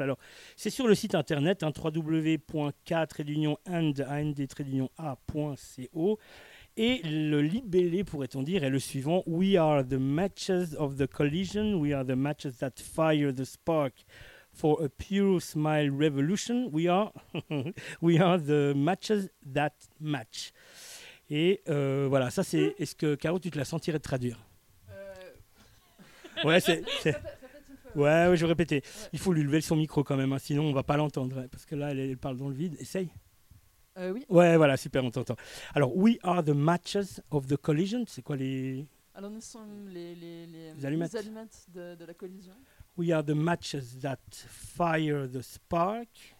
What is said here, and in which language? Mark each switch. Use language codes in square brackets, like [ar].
[fr] Alors, c'est sur le site internet, hein, www.k-and-a.co, et le libellé, pourrait-on dire, est le suivant: [en] We are the matches of the collision, we are the matches that fire the spark for a pure smile revolution, we are the matches that match. [fr] Et voilà, ça c'est. Est-ce que Caro, tu te la sentirais de traduire? Ouais, c'est... Ouais, je vais répéter. Il faut lui lever son micro quand même, hein, sinon on va pas l'entendre. Hein, parce que là, elle parle dans le vide. Essaye. Oui. Ouais, voilà, super, on t'entend. [en] Alors, we are the matches of the collision. [fr] C'est quoi les. Alors, nous sommes les allumettes. Les allumettes de la collision. [en] We are the matches that fire the spark.